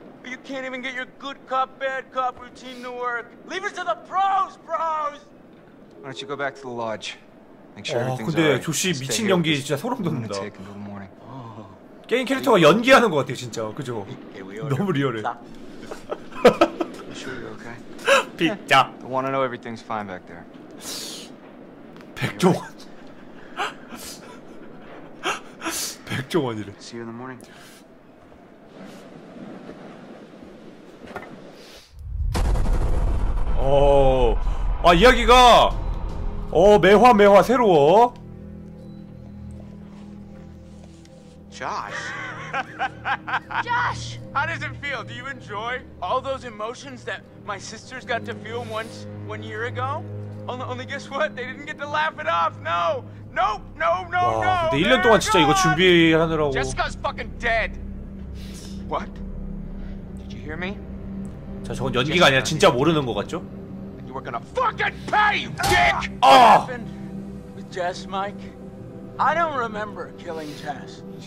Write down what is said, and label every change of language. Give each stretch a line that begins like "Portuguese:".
English: You can't even get your good cop, bad cop routine to work. Leave it to the pros, bros! Why don't you go back to the lodge? Make sure everything's
Korean: 근데
English: right.
Korean: 조시 미친 연기 진짜 소름 돋는다. 게임 캐릭터가 연기하는 것 같아요, 진짜. 그죠? 너무 리얼해.
English: Pizza. I want to know everything's fine back there.
Korean: 백종원. 백종원이래.
English: See you in the morning.
Korean: 오, 아 이야기가 오 매화 매화 새로워.
English: Josh. Josh. How does it feel? Do you enjoy all those emotions that my sisters got to feel once 1 year ago? Only guess what? They didn't get to laugh it off. No. Nope. No. No. No.
Korean: 근데 1년 동안 진짜 이거 준비하느라고.
English: Jessica's fucking dead. What? Did you hear me?
Korean: 자, 저건 연기가 아니라 진짜 모르는 거 같죠?
English: You were gonna fucking pay, you dick. Ah. With Jess, Mike. I don't remember killing Jess.